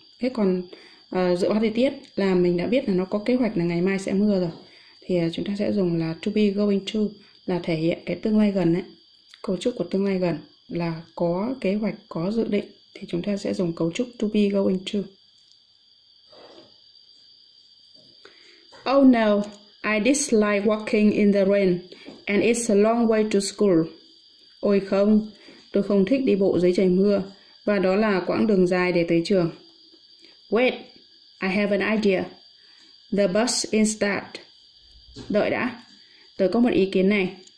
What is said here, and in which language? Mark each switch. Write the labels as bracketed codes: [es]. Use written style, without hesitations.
[vi] Thế còn dự báo thời tiết là mình đã biết là nó có kế hoạch là ngày mai sẽ mưa rồi, thì chúng ta sẽ dùng là to be going to, là thể hiện cái tương lai gần ấy, cấu trúc của tương lai gần là có kế hoạch, có dự định, thì chúng ta sẽ dùng cấu trúc to be going to. [en] Oh no, I dislike walking in the rain and it's a long way to school. [vi] Ôi không, tôi không thích đi bộ dưới trời mưa và đó là quãng đường dài để tới trường. [en] Wait, I have an idea. The bus is that. [vi] Đợi đã, tôi có một ý kiến này.